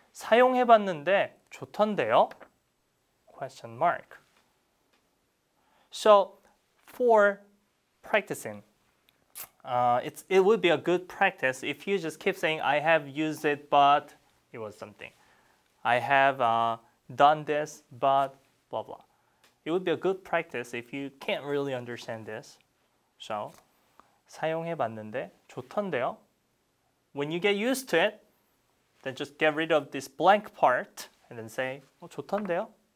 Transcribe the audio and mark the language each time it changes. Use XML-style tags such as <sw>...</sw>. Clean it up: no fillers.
<ko>사용해봤는데 좋던데요?</ko> <en>Question mark. So, for practicing, it would be a good practice if you just keep saying, I have used it, but it was something. I have done this, but blah, blah. It would be a good practice if you can't really understand this.</en> <ko>So, 사용해봤는데 좋던데요?</ko> <en>When you get used to it, then just get rid of this blank part and then say,</en> <ko>좋던데요?</ko>